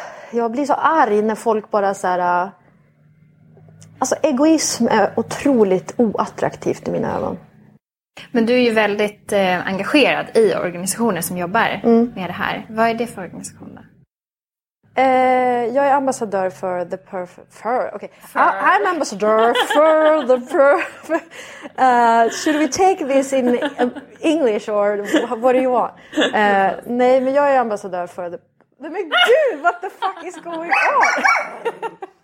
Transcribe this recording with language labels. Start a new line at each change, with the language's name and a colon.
Swedish: jag blir så arg när folk bara så här... Alltså, egoism är otroligt oattraktivt i mina ögon. Men du är ju väldigt engagerad i organisationer som jobbar med det här. Vad är det för organisation då? Jag är ambassadör för The Perfect...
English: Okay. I'm ambassador for The Perfect... should we take this in English or what do you want?
Swedish: Nej, men jag är ambassadör för The... Men gud,
English: what the fuck is going on?